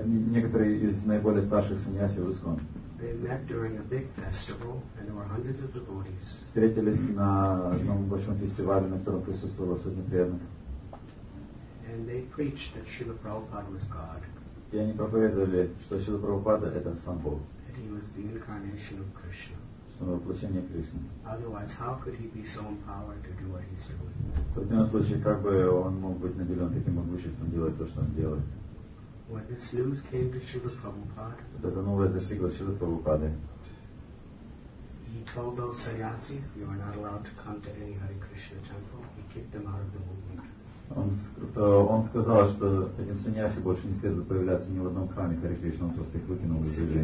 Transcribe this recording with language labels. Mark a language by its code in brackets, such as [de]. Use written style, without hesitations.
[ru] Некоторые из наиболее старших саньяси в ИСКОН. [en] They met during a big festival, and there were hundreds of devotees. [ru] Встретились на одном большом фестивале, на котором присутствовало сотни преданных. [en] And they preached that Śrīla Prabhupāda was God. [ru] И они проповедовали, что Śrīla Prabhupāda это сам Бог. [en] That he was the incarnation of Krishna. [ru] Что он воплощение Кришны. [en] Otherwise, how could he be so empowered to do what he's doing? [ru] В противном случае, как бы он мог быть наделен таким могуществом делать то, что он делает? [en] When this news came to Śrīla Prabhupāda, [ru] это новое достигло Śrīla Prabhupāda. [en] He told those sannyasis, you are not allowed to come to any Hare Krishna temple. He kicked them out of the movement. [ru] Он сказал, что этим саньяси больше не следует появляться ни в одном храме Харе Кришна, он просто их выкинул из